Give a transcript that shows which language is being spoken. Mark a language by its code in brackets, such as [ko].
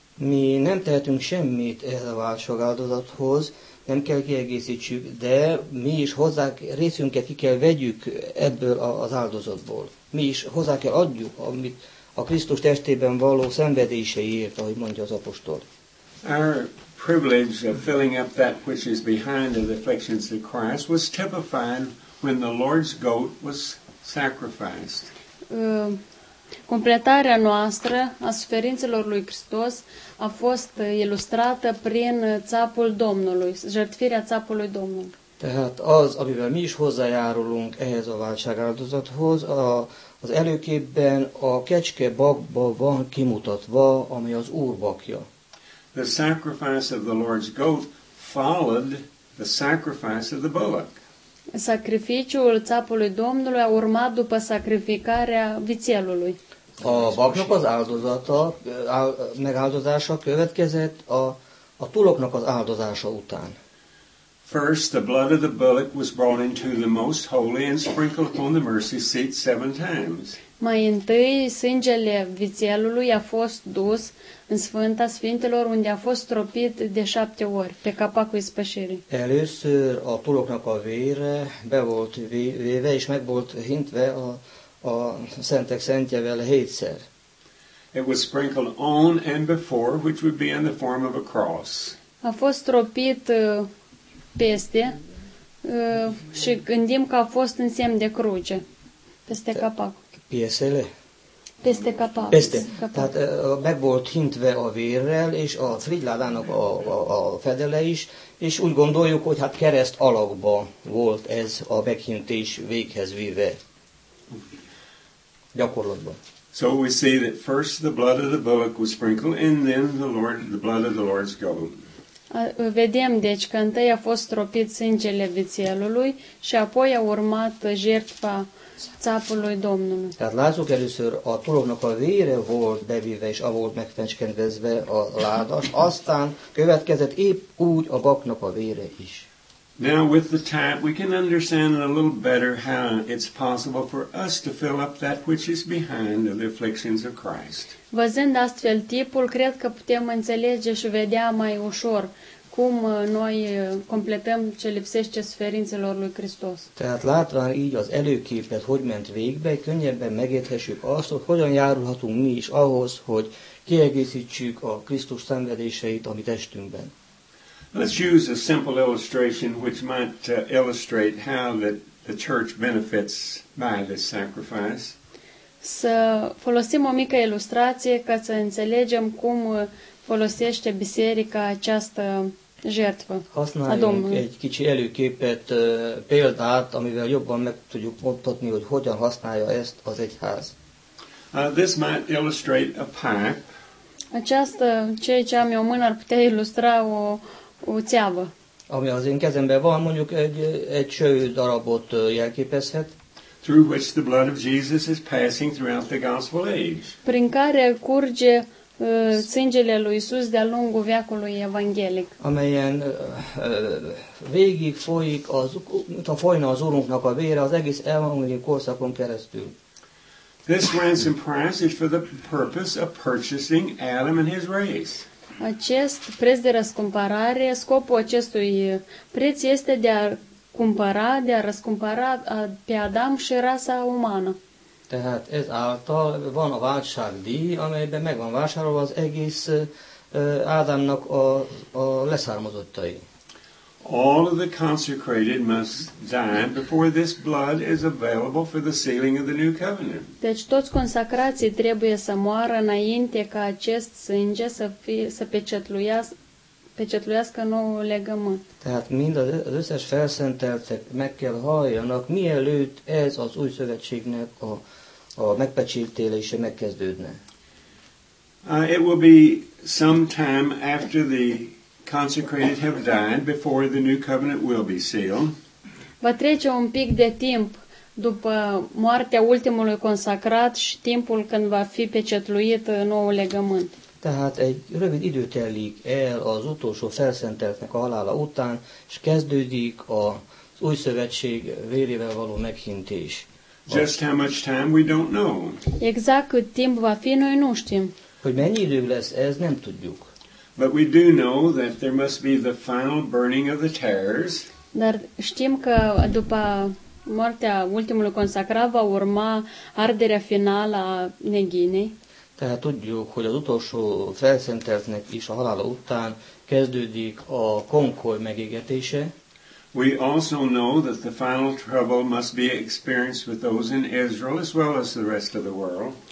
[hu] Mi nem tehetünk semmit ehhez a válság áldozathoz, nem kell kiegészítsük, de mi is hozzá részünket ki kell vegyük ebből az áldozatból. Mi is hozzá kell adjuk, amit a Krisztus testében való szenvedéseért, ahogy mondja az apostol. [en] Our privilege of filling up that which is behind the afflictions of Christ was typified when the Lord's goat was sacrificed. [ro] Completarea noastră a suferințelor lui Hristos a fost ilustrată prin țapul Domnului, jertfirea țapului Domnului. [hu] Tehát az, amivel mi is hozzájárulunk ehhez a váltságáldozathoz, az előképben a kecske bakba van kimutatva, ami az Úr bakja. [en] The sacrifice of the Lord's goat followed the sacrifice of the bullock. [ro] Sacrificiul țapului Domnului a urmat după sacrificarea vițelului. [hu] A baknak az áldozata, megáldozása következett a tuloknak az áldozása után. [en] First, the blood of the bullock was brought into the most holy and sprinkled upon the mercy seat 7 times. [ro] Mai întâi, sângele vițelului a fost dus în Sfânta Sfintelor, unde a fost stropit de 7 ori, pe capacul ispășirii. [hu] Először a tuloknak a vére be volt véve és meg volt hintve a Szentek Szentjével 7-szer. [en] It was sprinkled on and before, which would be in the form of a cross. [ro] A fost stropit peste și gândim că a fost în semn de cruce, peste capac. Piesele? Peste capac. Peste. [hu] Tehát meg volt hintve a vérrel, és a frigyládának a fedele is, és úgy gondoljuk, hogy hát kereszt alakba volt ez a meghintés véghez vive. [en] So we see that first the blood of the bullock was sprinkled, and then the blood of the Lord's goat. [ro] Vedem deci că întâi a fost stropit sângele vițelului și apoi a urmat jertfa țapului Domnului. [hu] Tehát lázuk először a tulognak a vére volt bevéve, és a volt megfecskendezve a ládas, aztán következett épp úgy a baknak a vére is. [en] Now with the type we can understand a little better how it's possible for us to fill up that which is behind the afflictions of Christ. [ro] Văzând astfel tipul, cred că putem înțelege și vedea mai ușor cum noi completăm ce lipsește suferințelor lui Hristos. [hu] Tehát látván így az előképet, hogy ment végbe, könnyebben megérthessük azt, hogy hogyan járulhatunk mi is ahhoz, hogy kiegészítsük a Krisztus szenvedéseit a mi testünkben. [en] Let's use a simple illustration which might illustrate how the church benefits by this sacrifice. [ro] Să folosim o mică ilustrație ca să înțelegem cum folosește biserica această jertfă. [hu] Használjunk egy kicsi előképet, példát, amivel jobban meg tudjuk mutatni, hogy hogyan használja ezt az egyház. [en] This might illustrate a pipe. [ro] Aceasta, ceea ce am eu mână, ar putea ilustra o țeavă. [hu] Ami az én kezemben van, mondjuk egy cső darabot jelképezhet. [en] Through which the blood of Jesus is passing throughout the gospel age. [ro] Prin care curge sângele lui Isus de-a lungul veacului evanghelic. [hu] Amelyen végig folyik az, mint a folyna az Urunknak a vére az egész evangélium korszakon keresztül. [en] This ransom price is for the purpose of purchasing Adam and his race. [ro] Acest preț de răscumpărare, scopul acestui preț este de a cumpăra, de a răscumpăra pe Adam și rasa umană. [hu] Tehát ez által van a váltságdíj, amelyben megvan vásárolva az egész Ádámnak a leszármazottai. [en] All of the consecrated must die before this blood is available for the sealing of the new covenant. [ro] Deci toți consacrații trebuie să moară înainte ca acest sânge să pecetluiască pecsetlőeszke nou legământ. [hu] Tehát mind az összes felszenteltek meg kell halljanak, mielőtt ez az új szövetségnek a megpecsételése megkezdődne. [en] It will be some time after the consecrated have died before the new covenant will be sealed. [ro] Va trece un pic de timp după moartea ultimului consacrat și timpul când va fi pecetluit noul legământ. [hu] Tehát egy rövid idő telik el az utolsó felszenteltnek a halála után, és kezdődik az új szövetség vérével való meghintés. [en] Just how much time we don't know. [ro] Exact cât timp va fi, noi nu știm. [hu] Hogy mennyi idő lesz, ez nem tudjuk. [en] But we do know that there must be the final burning of the tares. [ro] Dar știm că după moartea ultimului consacrat va urma arderea finală a neghinei. [hu] Tehát tudjuk, hogy az utolsó felszenteltnek is a halála után kezdődik a konkoly megégetése. [en] We also know that the final trouble must be experienced with those in Israel as well as the rest of the world.